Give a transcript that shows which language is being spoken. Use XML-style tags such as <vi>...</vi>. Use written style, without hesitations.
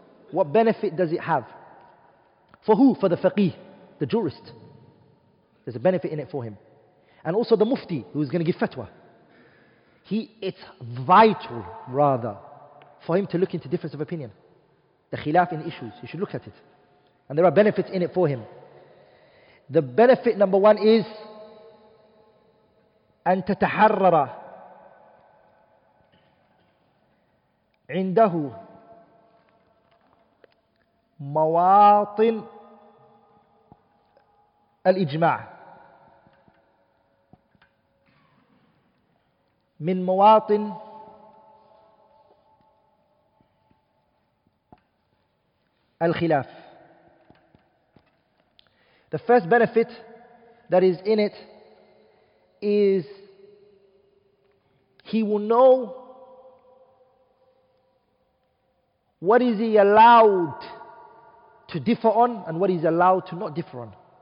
<en>What benefit does it have? For who? For the faqih, the jurist. There's a benefit in it for him. And also the mufti, who is going to give fatwa. It's vital, rather, for him to look into difference of opinion. The khilaf in issues, he should look at it. And there are benefits in it for him. The benefit number one is,</en> <ar>أن تتحرر عنده مواطن الإجماع من مواطن الخلاف.</ar> <en>The first benefit that is in it is he will know what is he allowed to differ on and what he's allowed to not differ on.</en>